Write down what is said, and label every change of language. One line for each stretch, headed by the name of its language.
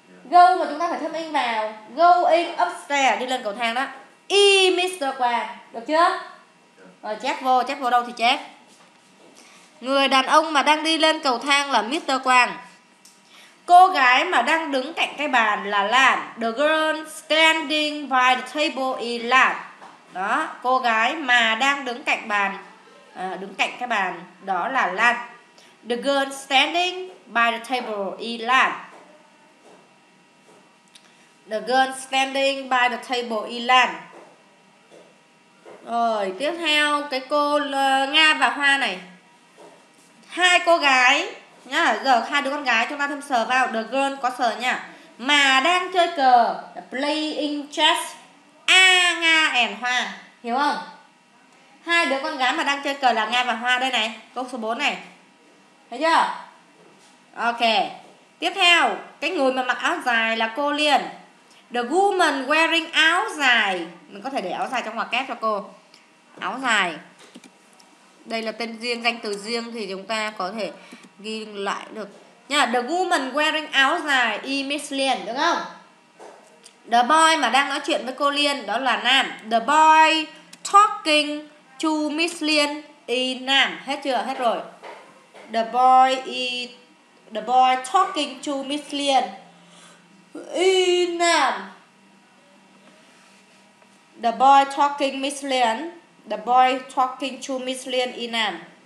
Vietnamese: Go mà chúng ta phải thêm in vào.
English: Going upstairs,
Vietnamese: đi lên cầu thang đó. E Mr. Quang, được chưa? Rồi chép vô đâu thì chép. Người đàn ông mà đang đi lên cầu thang là Mr. Quang. Cô gái mà đang đứng cạnh cái bàn là Lan.
English: The girl standing by the table is Lan.
Vietnamese: Đó, cô gái mà đang đứng cạnh bàn đứng cạnh cái bàn đó là Lan.
English: The girl standing by the table is Lan. The girl standing by the table is Lan.
Vietnamese: Rồi, tiếp theo cái cô Nga và Hoa này. Hai cô gái nhá, giờ hai đứa con gái chúng ta thêm sờ vào.
English: The girl
Vietnamese: có sờ nha. Mà đang chơi cờ,
English: playing chess.
Vietnamese: A, Nga and Hoa, hiểu không? Hai đứa con gái mà đang chơi cờ là Nga và Hoa đây này. Câu số 4 này. Thấy chưa? Ok. Tiếp theo, cái người mà mặc áo dài là cô Liên.
English: The woman wearing
Vietnamese: áo dài. Mình có thể để áo dài trong ngoặc kép cho cô. Áo dài. Đây là tên riêng, danh từ riêng thì chúng ta có thể ghi lại được. Nha,
English: the woman wearing áo dài is Miss Lien,
Vietnamese: đúng không?
English: The boy
Vietnamese: mà đang nói chuyện với cô Liên đó là Nam.
English: The boy talking to Miss Lien is Nam.
Vietnamese: Hết chưa? Hết rồi.
English: The boy talking to Miss Lien is Nam. The boy talking Miss Lien. The boy talking to Miss Lien is Nam.